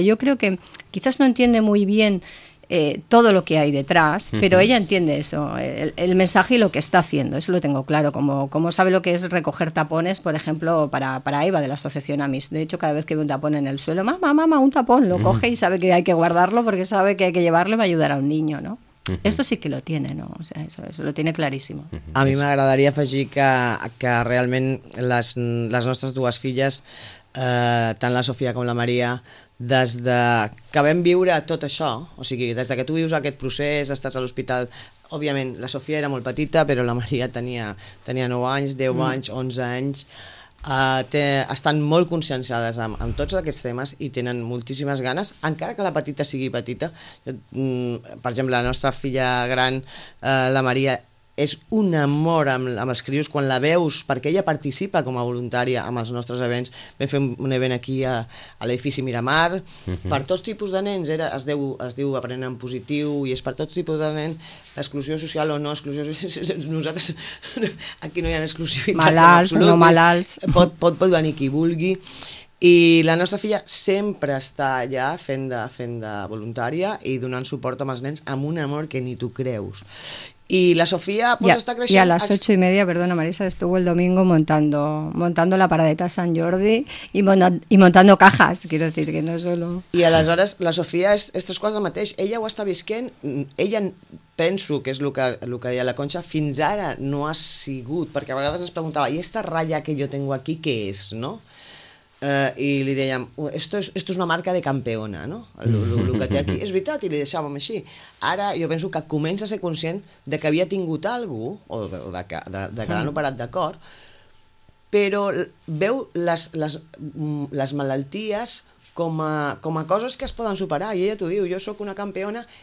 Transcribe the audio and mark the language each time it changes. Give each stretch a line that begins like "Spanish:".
Spanish: Yo creo que quizás no entiende muy bien todo lo que hay detrás, pero ella entiende eso, el mensaje y lo que está haciendo, eso lo tengo claro, como sabe lo que es recoger tapones, por ejemplo, para Eva de la asociación Amis. De hecho, cada vez que ve un tapón en el suelo, mamá, un tapón, lo coge y sabe que hay que guardarlo porque sabe que hay que llevarlo y va a ayudar a un niño, ¿no? Esto sí que lo tiene, ¿no? O sea, eso lo tiene clarísimo. A mí me agradaría
Catalan: afegir que realmente las nuestras dos filles, tant la Sofía como la María, des de que vam viure tot això, o sigui, des de que tu vius aquest procés, estàs a l'hospital, òbviament la Sofia era molt petita, però la Maria tenia 9 anys, 10 anys, 11 anys, estan molt conscienciades amb tots aquests temes i tenen moltíssimes ganes, encara que la petita sigui petita. Per exemple, la nostra filla gran, la Maria, és un amor amb els crios quan la veus, perquè ella participa com a voluntària amb els nostres events. Vam fer un event aquí a l'edifici Miramar, per tots tipus de nens, es diu Aprenent en Positiu, i és per tots tipus de nens, exclusió social o no, exclusió social, nosaltres, aquí no hi ha exclusivitat. Malalts, no malalts. Pot venir qui vulgui. I la nostra filla sempre està allà fent de voluntària i donant suport als nens amb un amor que ni tu creus. I la Sofia pues, ja, està creixent... I a les 8:30,
Spanish: perdona Marisa, estuvo el domingo montando la paradeta a Sant Jordi i montando cajas, quiero decir que no solo...
Catalan: I aleshores la Sofia és tres quarts del mateix. Ella ho està visquent, ella penso que és el que deia la Conxa, fins ara no ha sigut, perquè a vegades ens preguntava, i esta ratlla que jo tengo aquí què és, no? I li dèiem,
Spanish: esto es una marca de campeona, no?
Catalan: Lo que té aquí és veritat, i li deixàvem així. Ara jo penso que comença a ser conscient de que havia tingut algú o de que l'han operat de cor, però veu les malalties com a coses que es poden superar, i ella t'ho diu, jo sóc una campeona.